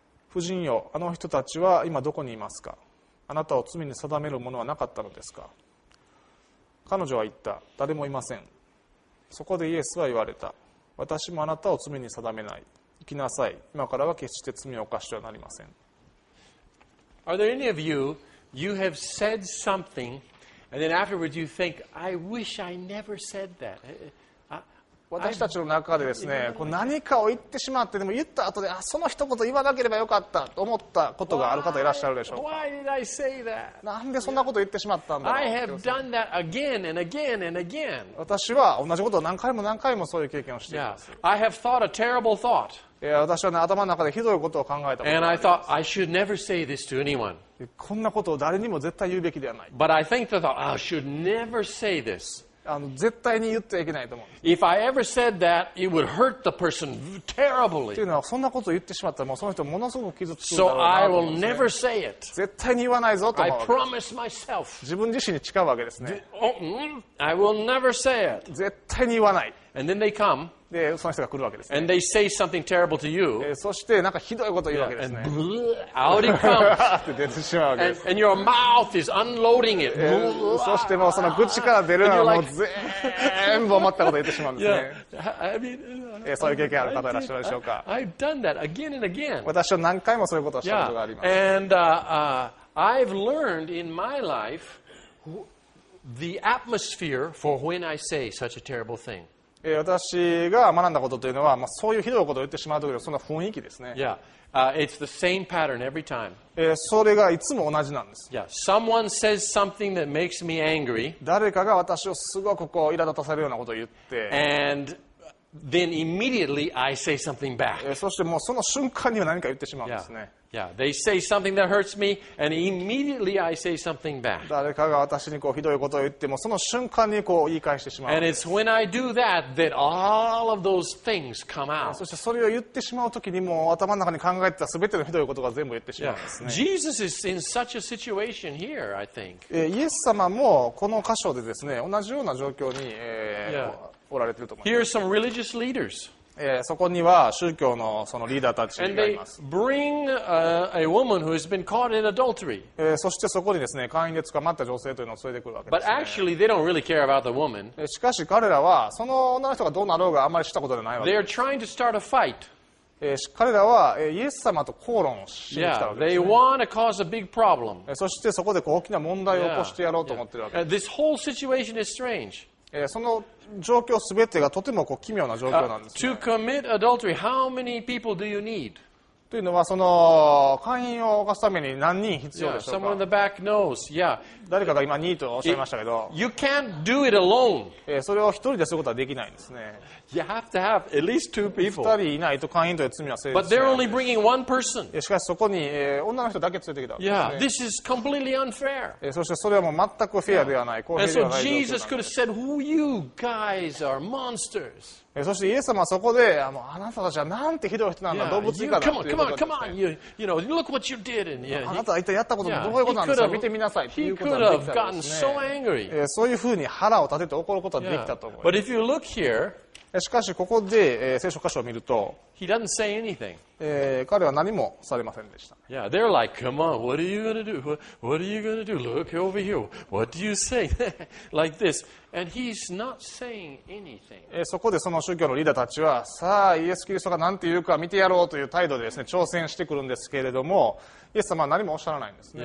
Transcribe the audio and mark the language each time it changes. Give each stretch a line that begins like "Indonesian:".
Japanese: 婦人よ、あの人たちは今どこにいますか？あなたを罪に定めるものはなかったのですか？彼女は言った、誰もいません。そこでイエスは言われた、私もあなたを罪に定めない。行きなさい、今からは決して罪を犯してはなりません。
English: Are there any of you, you have said something, and then afterwards you think, I wish I never said that.
Japanese: 私たちの中でですね、こう何かを言ってしまって、でも言った後で、あ、その一言言わなければよかったと思ったことがある方いらっしゃるでしょうか。
English: Why did I say that?
Japanese: なんでそんなこと言ってしまったんだろう。
English: I have done that again and again and again.
Japanese: 私は同じことを何回も何回もそういう経験をしています。
English: Yeah. I have thought a terrible thought.
Japanese: 私は、ね、頭の中でひどいことを考えたことがあります。
English: And I thought I should never say this to anyone.
Japanese: こんなことを誰にも絶対言うべきではない。
English: But I think the thought, I should never say this.
Japanese: 絶対に言ってはいけないと思うんです。
English: If I ever said that, it would hurt the person terribly.
Japanese: というのはそんなことを言ってしまったらもうその人ものすごく傷つくだろう
English: な。So I will never say it.
Japanese: 絶対に言わないぞと思うわけです。
English: I promise myself.
Japanese: 自分自身に誓うわけですね。
English: I will never say it.
Japanese: 絶対に言わない。
English: And then they come.
Japanese: でその人が来るわけですね。
English: And they say something terrible to you.
Japanese: そしてなんかひどいことを言うわけですね。
English: And bleh, out it comes.
Japanese: 出てしまうわけです。
English: And your mouth is unloading it.
Japanese: そしてもうその口から出るのはもう全部思ったことを言ってしまうんですね。
English: Yeah.
Japanese: そういう経験ある方いらっしゃるでしょうか。
English: I've done that again and again.
Japanese: 私は何回もそういうことをしたことがあります。
English: Yeah. And I've learned in my life the atmosphere for when I say such a terrible thing.
Japanese: 私が学んだことというのは、まあ、そういうひどいことを言ってしまうときのその雰囲気ですね。
English: Yeah. It's the same pattern every time.
Japanese: それがいつも同じなんです。
English: Yeah. Someone says something that makes me angry.
Japanese: 誰かが私をすごくこう苛立たされるようなことを言って。
English: And then immediately I say something back.
Japanese: そしてもうその瞬間には何か言ってしまうんですね。
English: Yeah. Yeah, they say something that hurts me, and immediately I say something back.
Japanese: 誰かが私にこうひどいことを言っても、その瞬間にこう言い返してしまう。
English: And it's when I do that that all of those things come out.
Japanese: そしてそれを言ってしまうときにも、頭の中に考えてた全てのひどいことが全部言ってしまうんですね。
English: Yeah. Jesus is in such a situation here, I think.
Japanese: イエス様もこの箇所でですね、同じような状況に、yeah. おられていると思います。
English: Here are some religious leaders.
Japanese: そこには宗教 の, そのリーダーたちがいます。
English: And they bring a woman who has been caught in adultery.
Japanese: そしてそこにですね、会員で捕まった女性というのを連れてくるわけです、ね。
English: But actually, they don't really care about the woman.
Japanese: しかし彼らは、その女の人がどうなろうがあんまりしたことではないわけです。
English: They are trying to start a fight.
Japanese: 彼らは、イエス様と口論をしに来たわけです、ね。
English: Yeah, they want to cause a big problem.
Japanese: そしてそこでこう大きな問題を起こしてやろうと思ってるわけです。
English: This whole situation is strange.
Japanese: その状況すべてがとてもこう奇妙な状況なんですね。
English: To commit adultery, how many people do you need?
Japanese: というのはその姦淫を犯すために何人必要でしょうか。
English: Someone in the back knows. Yeah.
Japanese: 誰かが今2とおっしゃいましたけど。
English: You can't do it alone.
Japanese: それを一人ですることはできないんですね。
English: You have to have at least two people.
Japanese: 二人いないと姦淫という罪は成立しない。
English: But they're only bringing one person.
Japanese: しかしそこに女の人だけ連れてきたわけですね。
English: Yeah. This is completely unfair.
Japanese: そしてそれはもう全くフェアではない。公平ではない。
English: And so Jesus could have said, "Who you guys are monsters."
Japanese: そしてイエス様はそこで、あなたたちはなんてひどい人なんだ、動物以下だということ
English: ですね。Come on, come on, come on. You, you know, look what you did.
Japanese: あなたはやったことがどういうことなんですか、見てみなさい、ということができたんですね。そういうふうに腹を立てて怒ることができたと思います。
English: But if you look here,
Japanese: しかしここで、聖書箇所を見ると、
English: he doesn't say anything.
Japanese: 彼は何もされませんでした。
English: Yeah, they're like, come on, what are you gonna do? What are you gonna do? Look over here. What do you say? like this. And he's not saying anything.
Japanese: そこでその宗教のリーダーたちは、さあ、イエス・キリストが何て言うか見てやろうという態度でですね、挑戦してくるんですけれども、イエス様は何もおっしゃらないんですね。